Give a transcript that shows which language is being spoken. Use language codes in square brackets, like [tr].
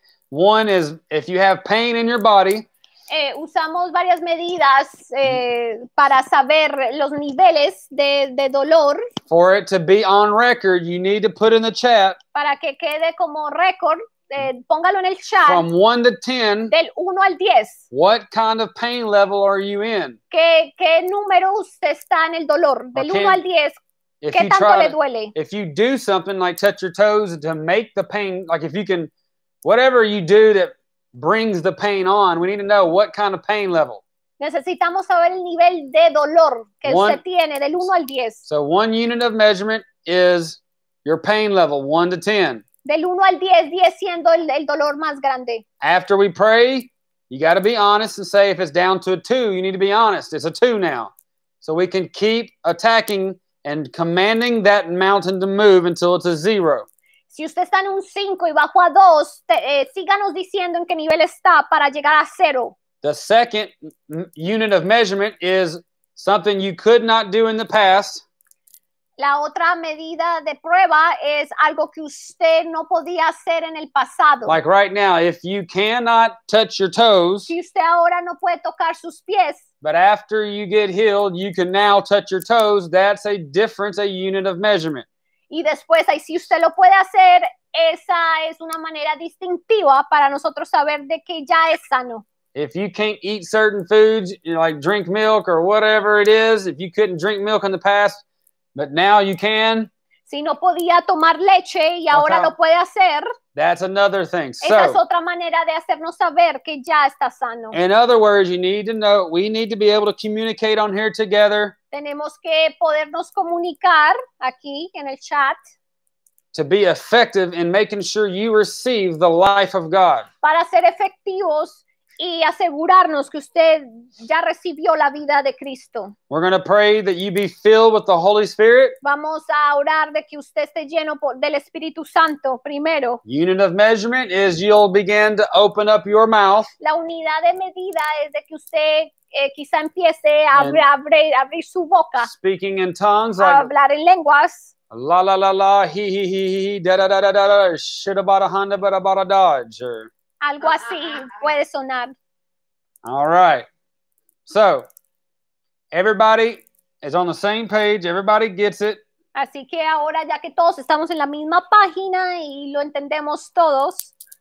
[en] One is if you have pain in your body. [es] Usamos varias medidas para saber los niveles de dolor. [en] For it to be on record, you need to put in the chat. [es] Para que quede como récord, póngalo en el chat. [en] From 1 to 10. [es] Del 1 al 10. [en] What kind of pain level are you in? [es] ¿Qué número usted está en el dolor? Del 1 al 10. ¿Qué tanto le duele? [en] If you do something like touch your toes to make the pain, like if you can, whatever you do that brings the pain on, we need to know what kind of pain level. [es] Necesitamos saber el nivel de dolor que usted tiene, del 1 al 10. [en] So one unit of measurement is your pain level, 1 to 10. [es] Del 1 al 10, 10 siendo el dolor más grande. [en] After we pray, you got to be honest and say if it's down to a 2, you need to be honest. It's a 2 now. So we can keep attacking and commanding that mountain to move until it's a 0. [es] Si usted está en un 5 y bajo a 2, síganos diciendo en qué nivel está para llegar a 0. [en] The second unit of measurement is something you could not do in the past. [es] La otra medida de prueba es algo que usted no podía hacer en el pasado. [en] Like right now, if you cannot touch your toes. [es] Si usted ahora no puede tocar sus pies. [en] But after you get healed, you can now touch your toes. That's a difference, a unit of measurement. [es] Y después, ahí si usted lo puede hacer, esa es una manera distintiva para nosotros saber de que ya es sano. [en] If you can't eat certain foods, you know, like drink milk or whatever it is, if you couldn't drink milk in the past, but now you can. [es] Si no podía tomar leche y ahora lo puede hacer. [en] That's another thing. [es] Esa es otra manera de hacernos saber que ya está sano. [en] In other words, you need to know, we need to be able to communicate on here together. [es] Tenemos que podernos comunicar aquí en el chat. [en] To be effective in making sure you receive the life of God. [es] Para ser efectivos y asegurarnos que usted ya recibió la vida de Cristo. [en] We're going to pray that you be filled with the Holy Spirit. [es] Vamos a orar de que usted esté lleno del Espíritu Santo primero. [en] Unit of measurement is you'll begin to open up your mouth. [es] La unidad de medida es de que usted quizá empiece a abrir su boca. [en] Speaking in tongues. [es] A hablar en lenguas. La la la la, he, da da da da da da, shit about a Honda, but about a Dodge. Or... Algo así puede sonar. [en] All right. So, everybody is on the same page. Everybody gets it. [es] Así que ahora ya que todos estamos en la misma página y lo entendemos todos.